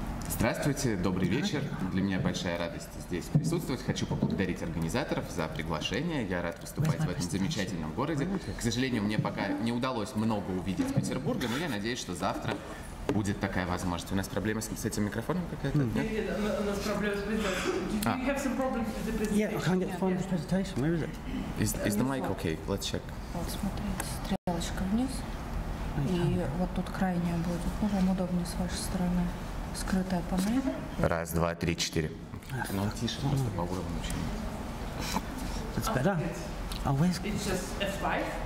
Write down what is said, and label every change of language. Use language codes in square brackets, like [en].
[ru] Здравствуйте, добрый вечер. Для меня большая радость здесь присутствовать. Хочу поблагодарить организаторов за приглашение. Я рад выступать в этом замечательном городе. К сожалению, мне пока не удалось много увидеть Петербурга, но я надеюсь, что завтра будет такая возможность. У нас проблема с этим микрофоном какая-то? Нет, у нас проблема с презентацией. [en] Do you have some problems with the presentation? Yeah, I can't get the phone with the presentation. Where is it? Is the mic okay? Let's check. [ru] Вот, смотрите, стрелочка вниз. И вот тут крайняя будет. Ну, вам удобнее с вашей стороны. Скрытая панель. Раз, два, три, четыре. Ну, тише, просто по уровню чем. [en] It's better? Oh, where's... It's just F5?